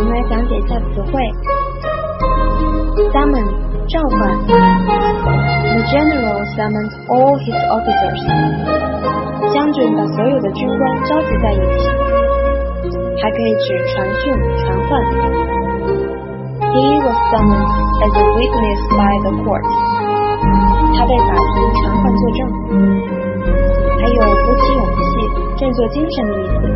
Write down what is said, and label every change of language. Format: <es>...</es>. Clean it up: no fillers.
<zh>讲解一下词汇 summon 召唤。</zh> <en>The general summoned all his officers.</en> <zh>将军把所有的军官召集在一起，还可以指传讯传唤。</zh> <en>He was summoned as a witness by the court.</en> <zh>他被法庭传唤作证。还有鼓起勇气振作精神的意思。</zh>